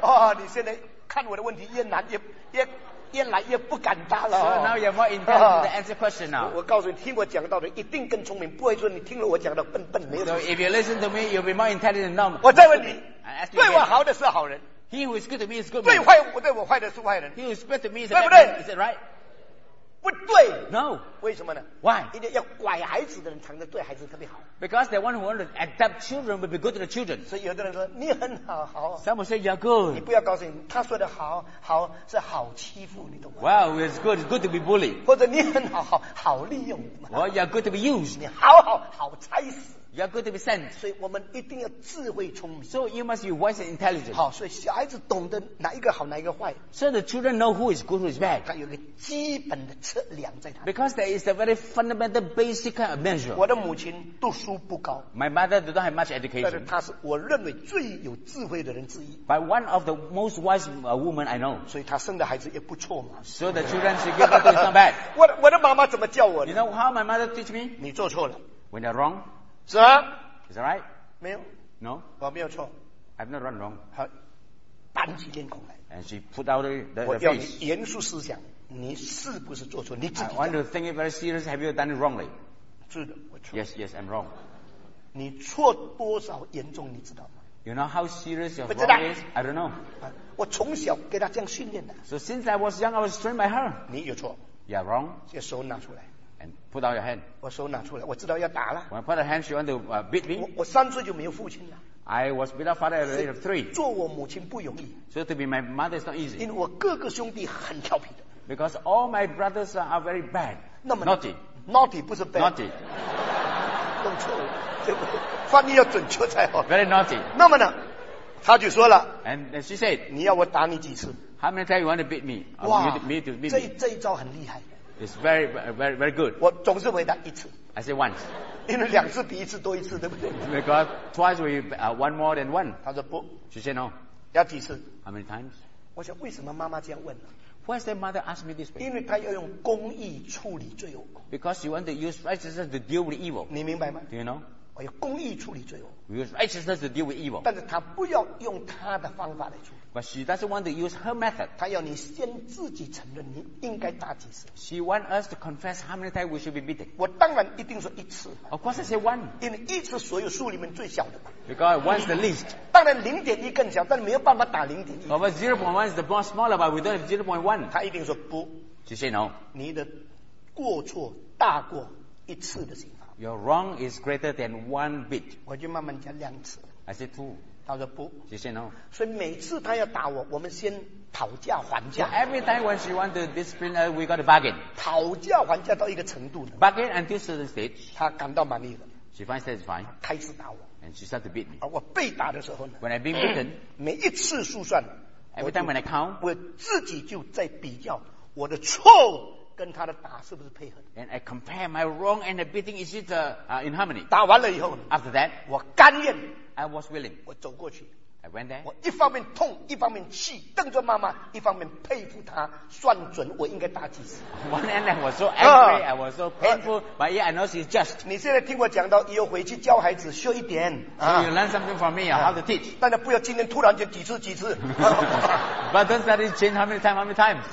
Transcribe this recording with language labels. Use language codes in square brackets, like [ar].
[zh] 哦，你现在看我的问题越难越来越不敢答了。 [en] So now you're more intelligent to answer question now. [zh] 我告诉你，听我讲道的一定更聪明，不会说你听了我讲的笨笨没有。 [en] So if you listen to me, you'll be more intelligent now. [zh] 我再问你，对我好的是好人。 [en] He who is good to me is good. [zh] 对坏我对我坏的是坏人。 [en] He who is bad to me is bad. [zh] 对不对 [en] ？Is that right？ [zh] 不对 [en] ，No， [zh] 为什么呢 [en] ？Why？ [zh] 因为要拐孩子的人，常常对孩子特别好。 [en] Because the one who wants to adapt children will be good to the children。 [zh] 所以有的人说你很好，好。 [en] Some say you're good。 [zh] 你不要告诉你，他说的好好是好欺负，你懂吗 [en] ？Wow, it's good. It's good to be bullied。 [zh] 或者你很好，好好利用。 [en] Well, you're good to be used。 [zh] 你好好好拆死。 [en] You're good to be sent。 [zh] 所以我们一定要智慧聪明。 [en] So you must be wise and intelligent。 [zh] 好，所以小孩子懂得哪一个好，哪一个坏。 [en] So the children know who is good, who is bad。 [zh] 他有一个基本的测量在他。 [en] Because there is a very fundamental basic kind of measure。 [zh] 我的母亲读书不高。 [en] My mother did not have much education。 [zh] 但是她是我认为最有智慧的人之一。 [en] By one of the most wise women I know。 [zh] 所以她生的孩子也不错嘛。 [en] So the children she gave birth to is not bad。 [zh] 我的妈妈怎么教我的 [en] ？You know how my mother teach me？ [zh] 你做错了。 [en] When you're wrong。 [zh] 是吗 [en] ？Is that right？ [zh] 没有。 [en] No。 [zh] 我没有错。 [en] I've not run wrong。 [zh] 好，板起脸孔来。 [en] And she put out the face。 [zh] 我要你严肃思想，你是不是做错？你自己。 [en] I want to think it very serious. Have you done it wrongly？ [zh] 是的，我错。 [en] Yes, yes, I'm wrong。 [zh] 你错多少严重，你知道吗 [en] ？You know how serious your wrong is? I don't know。 [zh] 我从小给他这样训练的。 [en] So since I was young, I was trained by her。 [zh] 你有错。 [en] You're wrong。 [zh] 这手拿出来。 [en] And put out your hand. [zh] 我手拿出来，我知道要打了。 [en] When I put a hand, she want to beat me. [zh] 我三岁就没有父亲了。 [en] I was without father at the age of three. [zh] 做我母亲不容易。 [en] So to be my mother is not easy. [zh] 因为我哥哥兄弟很调皮的。 [en] Because all my brothers are very bad. [zh] 那么 [en] naughty. Naughty [zh] 不是 [en] bad. Naughty. [zh] 弄错了，对不对？翻译要准确才好。 [en] Very naughty. [zh] 那么呢，他就说了。 [en] And she said, [zh] 你要我打你几次 [en] ？How many times you want to beat me? [zh] 哇， [en] me. [zh] 这一招很厉害。 [en] It's very, very, very good. [zh] 我总是回答一次。 [en] I say once. [zh] 因为两次比一次多一次，对不对 [en] ？Because twice we one more than one. [zh] 他说不。 [en] She said no. [zh] 要几次 [en] ？How many times? [zh] 我想为什么妈妈这样问呢 [en] ？Why is the mother ask me this way? [zh] 因为她要用公义处理罪恶。 [en] Because she want to use righteousness to deal with evil. [zh] 你明白吗 [en] ？Do you know? [zh] 我要公义处理罪恶。 [en] Because righteousness to deal with evil. [zh] 但是他不要用他的方法来处理。 [en] But she doesn't want to use her method. [zh] 他要你先自己承认你应该打几次。 [en] She wants us to confess how many times we should be beaten. [zh] 我当然一定说一次。 [en] Of course, I say one. [zh] 因为一次所有数里面最小的。 [en] Because one's the least. [zh] 当然零点一更小，但是没有办法打零点一。 [en] Of course, 0.1 is the most smaller, but we don't have 0.1. [zh] 他一定说不。 [en] She say no. [zh] 你的过错大过一次的刑罚。 [en] Your wrong is greater than one bit. [zh] 我就慢慢讲两次。 [en] I said two. [zh] 他说不。 [en] She said no. [zh] 所以每次他要打我，我们先讨价还价。 [en] So、every time when she wants to discipline us, we got to bargain. [zh] 讨价还价到一个程度。 [en] Bargain until certain stage. [zh] 他感到满意了。 [en] She finds that it's fine. [zh] 开始打我。 [en] And she starts to beat me. [zh] 而我被打的时候呢 [en] ？When I've been beaten. [zh] 每一次数算。 [en] Every time when I count. [zh] 我自己就在比较我的错误。跟他的打是不是配合 [en] ？And I compare my wrong and the beating. Is it in harmony? [zh] 打完了以后 [en] ，After that， [zh] 我甘愿 [en] ，I was willing。 [zh] 我走过去 [en] ，I went there。 [zh] 我一方面痛，一方面气，瞪着妈妈，一方面佩服他算准我应该打几次。 [en] One end I was so angry, I was so painful, but yeah, I know she's just。 [zh] 你现在听我讲到，以后回去教孩子修一点。 [en] So you learn something from me, how to teach。 [zh] 但是不要今天突然间几次几次。 [en] But doesn't that change how many times, how many times?